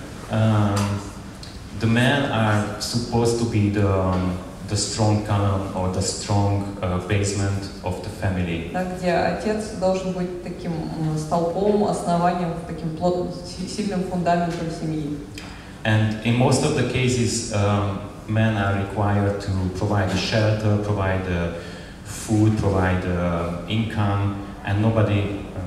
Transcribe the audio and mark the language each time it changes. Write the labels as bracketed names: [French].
[English] The men are supposed to be the strong column or the strong basement of the family. [Russian] Да, где отец должен быть таким столпом, основанием, таким плотным, сильным фундаментом семьи. [English] And in most of the cases, men are required to provide a shelter, provide a food, provide income, and nobody